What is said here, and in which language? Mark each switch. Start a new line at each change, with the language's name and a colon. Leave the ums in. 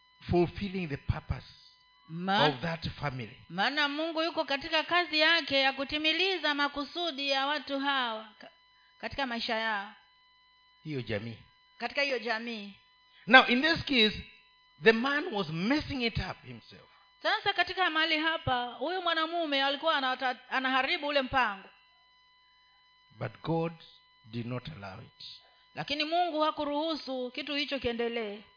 English: fulfilling the purpose Ma- of that family
Swahili: maana mungu yuko katika kazi yake ya kutimiliza makusudi ya watu hawa katika maisha ya hiyo jamii katika hiyo jamii
English: now in this case the man was messing it up himself
Swahili: sasa katika mali hapa huyu mwanamume alikuwa anaharibu ule mpango
English: but god did not allow it
Swahili: lakini mungu hakuruhusu kitu hicho kiendelee